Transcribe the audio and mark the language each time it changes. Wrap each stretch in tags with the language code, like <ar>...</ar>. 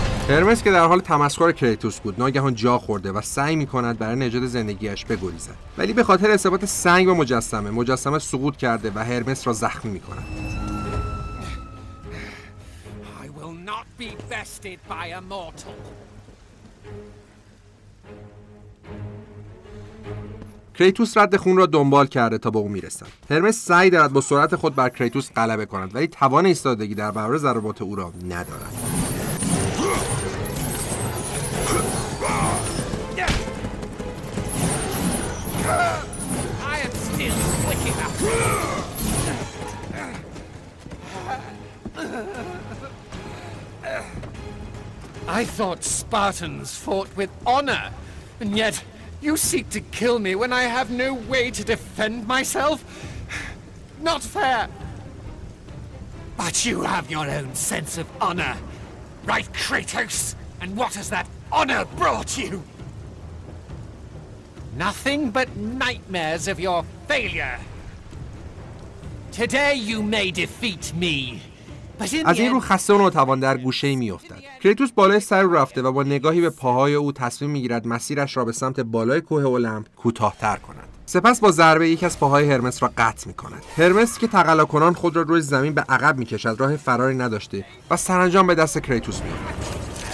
<fa>هرمس که در حال تمسخر کریتوس بود ناگهان جا خورده و سعی میکند برای نجات زندگیش بگریزد، ولی به خاطر اثبات سنگ به مجسمه، مجسمه سقوط کرده و هرمس را زخمی میکند.</fa> <en>I will not be bested by a mortal.</en> <fa>کریتوس رد خون را دنبال کرده تا به او میرسد. هرمس سعی دارد با سرعت خود بر کریتوس غلبه کند، ولی توان ایستادگی در برابر ضربات او را ندارد.</fa> <en>I am still quick enough. I thought Spartans fought with honor, and yet you seek to kill me when I have no way to defend myself? Not fair. But you have your own sense of honor, right, Kratos? And what has that honor brought you? Nothing but nightmares of your failure. Today you may defeat me.</en> <fa>از این رو خسته و ناتوان در گوشه‌ای می‌افتد. کریتوس بالای سر رو رفته و با نگاهی به پاهای او تصمیم می‌گیرد مسیرش را به سمت بالای کوه المپ کوتاه‌تر کند. سپس با ضربه یکی از پاهای هرمس را قطع می‌کند. هرمس که تقلاکنان خود را روی زمین به عقب می‌کشد، راه فراری نداشته و سرانجام به دست کریتوس می‌افتد.</fa>